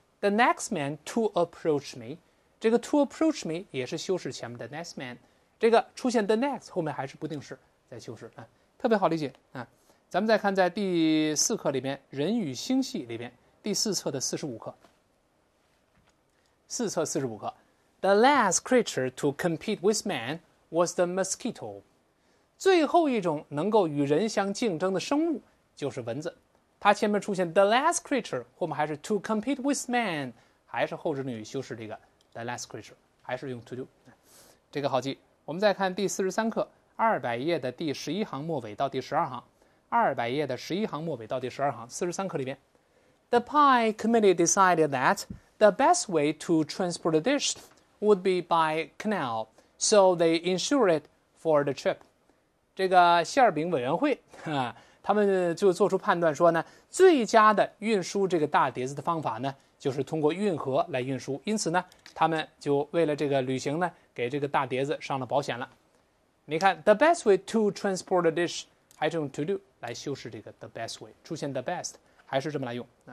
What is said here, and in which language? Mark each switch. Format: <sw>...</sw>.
<en>The next man to approach me，</en> <zh>这个</zh> <en>to approach me</en> <zh>也是修饰前面的</zh> <en>next man。</en> <zh>这个出现</zh> <en>the next</en> <zh>后面还是不定式在修饰啊，特别好理解啊。咱们再看在第4课里面《人与星系》里面第4册的45课。四册四十五个。</zh> <en>The last creature to compete with man was the mosquito.</en> <zh>最后一种能够与人相竞争的生物就是蚊子。它前面出现</zh> <en>the last creature,</en> <zh>后面还是</zh> <en>to compete with man,</en> <zh>还是后置定语修饰这个 the last creature, 还是用 to do。这个好记。我们再看第四十三课,200页的第十一行末尾到第十二行。 200页的十一行末尾到第十二行，四十三课里面。</zh> <en>The pie committee decided that the best way to transport the dish would be by canal, so they insured it for the trip.</en> <zh>这个馅饼委员会他们就做出判断说呢，最佳的运输这个大碟子的方法呢，就是通过运河来运输。因此呢，他们就为了这个旅行呢，给这个大碟子上了保险了。你看 ,</zh> <en>the best way to transport the dish,</en> <zh>还是用 to do 来修饰这个</zh> <en>the best way,</en> <zh>出现</zh> <en>the best,</en> <zh>还是这么来用。</zh>